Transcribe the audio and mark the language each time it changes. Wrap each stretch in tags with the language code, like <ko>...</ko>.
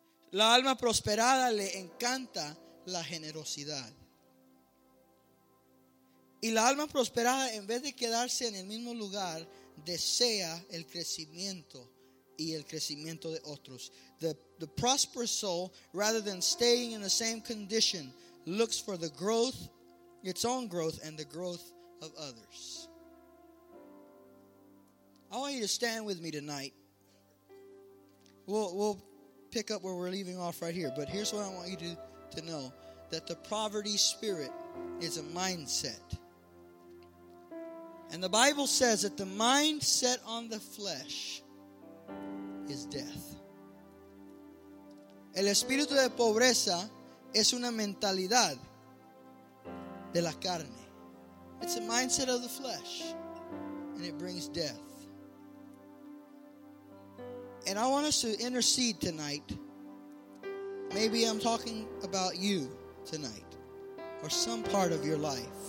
<es>La alma prosperada le encanta la generosidad. Y la alma prosperada, en vez de quedarse en el mismo lugar, desea el crecimiento y el crecimiento de otros.</es> <en>The prosperous soul, rather than staying in the same condition, looks for the growth, its own growth, and the growth of others. I want you to stand with me tonight. We'll pick up where we're leaving off right here. But here's what I want you to know, that the poverty spirit is a mindset. And the Bible says that the mind set on the flesh is death.</en> <es>El espíritu de pobreza es una mentalidad de la carne.</es> <en>It's a mindset of the flesh, and it brings death. And I want us to intercede tonight. Maybe I'm talking about you tonight, or some part of your life.</en>